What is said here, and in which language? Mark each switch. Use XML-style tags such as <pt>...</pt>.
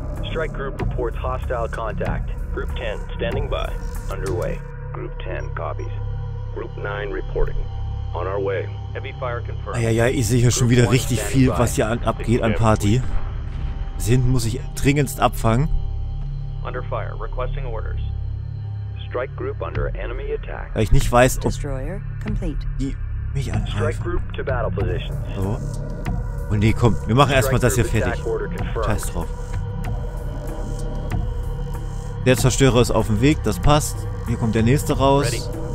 <en>Strike group reports hostile contact. Group 10 standing by. Underway. Group 10 copies. Group 9 reporting. On our way. Heavy fire confirmed.</en> <de>Ah, ja, ich sehe hier schon wieder richtig viel, was hier abgeht an Party. Bis hinten muss ich dringendst abfangen.</de> <en>Under fire, requesting orders. Strike group under enemy attack.</en> <de>Weil ich nicht weiß, ob Destroyer complete. Die mich angreifen.</de> <en>Strike group to battle positions.</en> <de>So. Oh ne, komm, wir machen erstmal das hier fertig. Scheiß drauf. Der Zerstörer ist auf dem Weg, das passt. Hier kommt der nächste raus.</de>